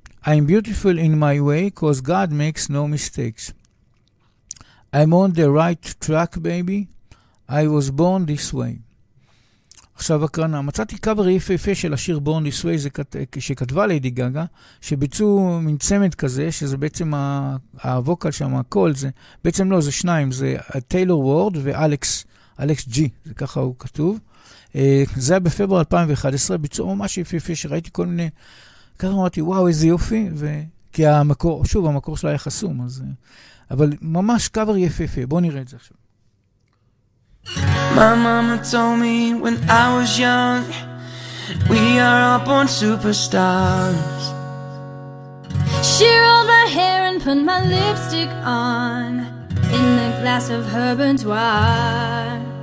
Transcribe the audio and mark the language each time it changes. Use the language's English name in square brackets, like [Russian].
[English] I'm beautiful in my way, because God makes no mistakes. I'm on the right track, baby. I was born this way. [Hebrew] עכשיו הקרנה, מצאתי קאבר יפהפה של השיר Born This Way, שכתבה לידי גאגא, שביצעו מין צמד כזה, שזה בעצם הווקל שם, הקול, זה בעצם לא, זה שניים, זה טיילור וורד ואלקס, אלקס ג'י, זה ככה הוא כתוב. זה היה בפברואר 2011, ביצעו ממש יפהפה, שראיתי כל מיני, ככה אמרתי, וואו, איזה יופי, כי המקור, שוב, המקור שלה היה חסום, אז אבל ממש קאבר יפהפה, בואו נראה את זה עכשיו. [English] My mama told me when I was young We are up on superstars. She rolled my hair and put my lipstick on in the glass of her boudoir.